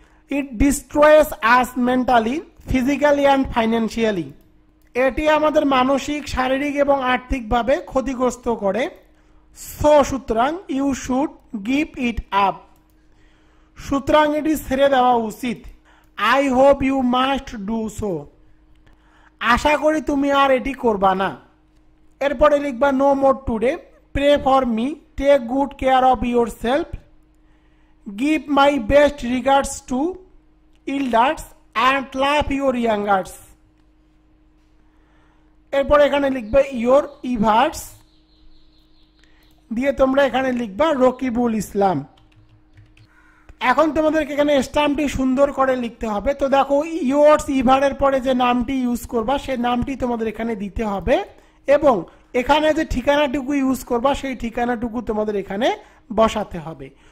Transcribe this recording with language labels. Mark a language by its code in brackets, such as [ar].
[en] it destroys us mentally physically and financially, [bn] এটি আমাদের মানসিক শারীরিক এবং আর্থিকভাবে ক্ষতিগ্রস্ত করে। [en] so সুতরাং you should give it up, [bn] সুতরাং এটি ছেড়ে দেওয়া উচিত। [en] I hope you must do so, [bn] আশা করি তুমি আর এটি করবা না। এরপরে লিখবা [en] No more today, pray for me, take good care of yourself, give my best regards to elders and love your youngers. [bn] এরপর এখানে লিখবে [en] your evers, [bn] দিয়ে তোমরা এখানে লিখবা রকিবুল ইসলাম। এখন তোমাদেরকে এখানে স্ট্যাম্পটি সুন্দর করে লিখতে হবে। তো দেখো ইয়ার্স ইভারের পরে যে নামটি ইউজ করবা সেই নামটি তোমাদের এখানে দিতে হবে, এবং এখানে যে ঠিকানাটুকু ইউজ করবা সেই ঠিকানাটুকু তোমাদের এখানে বসাতে হবে।